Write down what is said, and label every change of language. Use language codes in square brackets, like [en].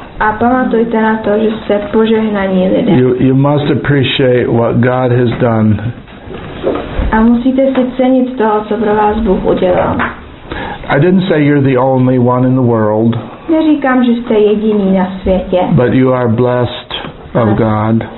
[cs] A pamatujte na to, že jste požehnaní lidé. [en] You must appreciate what God has done. [cs] A musíte si cenit toho, co pro vás Bůh udělal. [en] I didn't say you're the only one in the world. [cs] Neříkám, že jste jediný na světě. [en] But you are blessed of God.